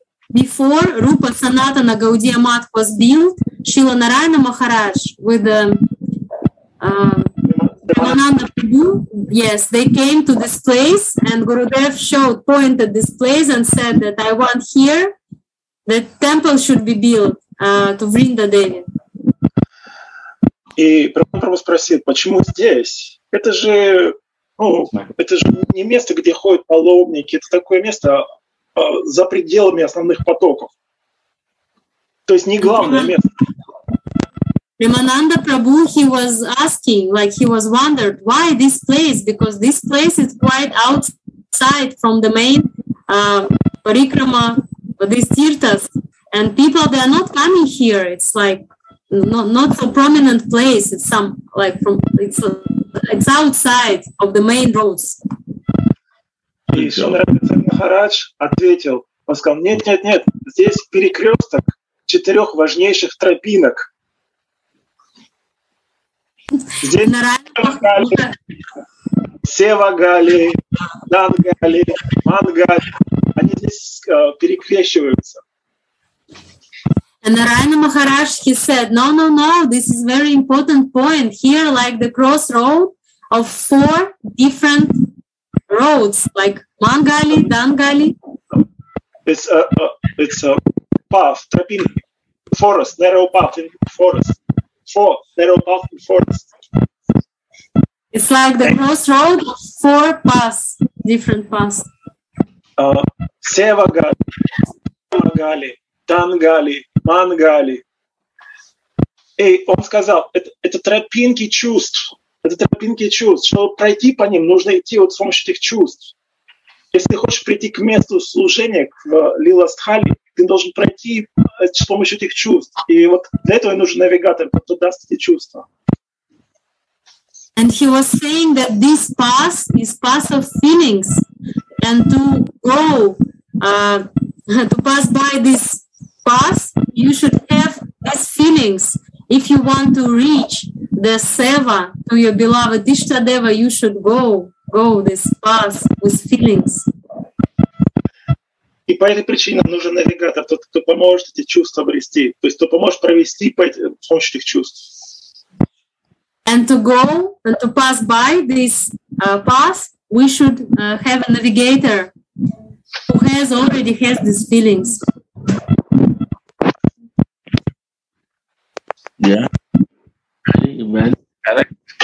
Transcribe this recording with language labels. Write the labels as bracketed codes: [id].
[en] Before Rupa Sanatana Gaudiamat was built, Шрила Нарайана Махарадж with the Premananda Prabhu, yes, they came to this place and Gurudev showed, pointed this place and said that I want here the temple should be built to Vrinda Devi. [ru] И Прабху спросил, почему здесь? Это же Это же не место, где ходят паломники. Это такое место за пределами основных потоков. То есть не главное место. [en] Ramananda Prabhu, he was asking, like he was wondered, why this place? Because this place is quite outside from the main parikrama, these tirthas. And people, they are not coming here. It's like not so prominent place. It's some like from it's outside of the main roads. [ru] И Шанарадзе Махарадж ответил, он сказал, нет, здесь перекресток четырех важнейших тропинок. Здесь Нарайан, Севагали, Дангали, Мангали, они здесь перекрещиваются. [en] And Narayana Maharaj, he said, no, this is very important point. Here, like the crossroad of four different roads, like Mangali, Dangali. It's a path, tropinka, forest, narrow path in forest. Four, narrow path in forest. It's like the crossroad of four paths, different paths. [ru] Севагали, Мангали, Дангали. Мангали. Эй, он сказал, это тропинки чувств. Это тропинки чувств. Чтобы пройти по ним, нужно идти вот с помощью этих чувств. Если ты хочешь прийти к месту служения, к Лиластхали, ты должен пройти с помощью этих чувств. И вот для этого нужен навигатор, кто даст эти чувства. [en] And he was saying that this path is path of feelings. And to go, to pass by this path, you should have these feelings. If you want to reach the seva to your beloved Ishtadeva, you should go this path with feelings. [ru] И по этой причине нам нужен навигатор, тот, кто поможет эти чувства обрести, то есть кто поможет провести по помощи этих чувств. [en] And to go and to pass by this path, we should have a navigator who already has these feelings. Yeah, well, correct.